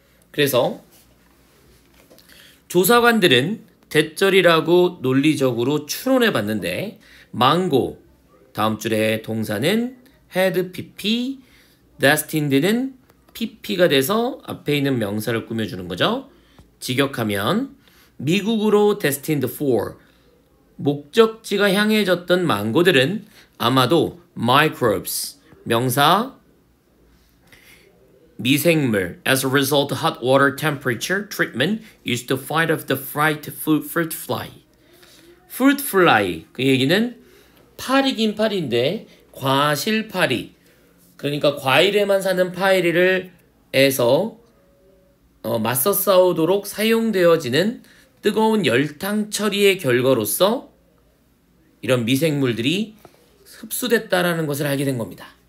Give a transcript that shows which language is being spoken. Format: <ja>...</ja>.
<ko>그래서 조사관들은 대절이라고 논리적으로 추론해 봤는데, 망고, 다음 줄에 동사는 had PP, destined는 PP가 돼서 앞에 있는 명사를 꾸며주는 거죠. 직역하면, 미국으로</ko> <en>destined for,</en> <ko>목적지가 향해졌던 망고들은 아마도</ko> <en>microbes,</en> <ko>명사, 미생물,</ko> <en>as a result, hot water temperature treatment used to fight off the fright fruit fly.</en> <ko>fruit fly, 그 얘기는 파리긴 파리인데, 과실파리. 그러니까 과일에만 사는 파리를 해서 맞서 싸우도록 사용되어지는 뜨거운 열탕 처리의 결과로서 이런 미생물들이 흡수됐다라는 것을 알게 된 겁니다.</ko>